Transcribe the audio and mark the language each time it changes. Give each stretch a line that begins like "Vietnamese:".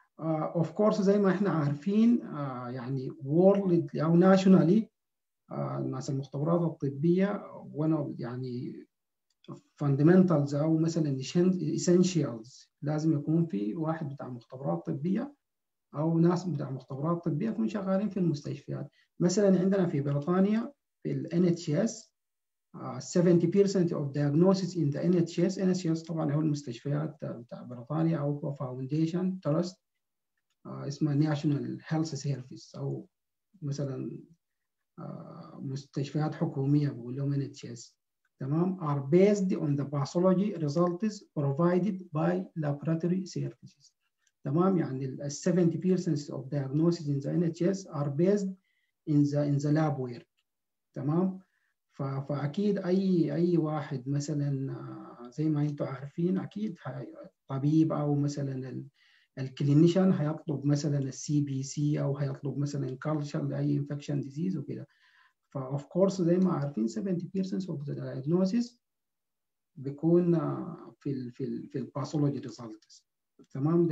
Arabic: اوف كورس زي ما احنا عارفين يعني وورلد او ناشونالي الناس المختبرات الطبيه وانا يعني فاندمنتالز او مثلا اسينشيالز لازم يكون في واحد بتاع مختبرات طبيه أو ناس بتاع مختبرات طبية يكون شغالين في المستشفيات. مثلاً عندنا في بريطانيا في الـ
English: NHS 70% of diagnosis in the NHS.
Arabic: NHS طبعاً هو المستشفيات بتاع بريطانيا أو Foundation Trust اسمه National Health Service أو مثلاً مستشفيات حكومية بقول لهم NHS تمام
English: are based on the pathology results provided by laboratory services
Arabic: تمام. يعني ال
English: 70% of diagnosis in the NHS are based in the lab work
Arabic: تمام. فأكيد أي واحد مثلا زي ما أنتم عارفين أكيد طبيب أو مثلا الكلينيشن هيطلب مثلا CBC أو هيطلب مثلا culture لأي infection disease وكذا. فأوف كورس زي ما عارفين
English: 70% of the diagnosis
Arabic: بيكون في الـ
English: pathology results
Arabic: تمام.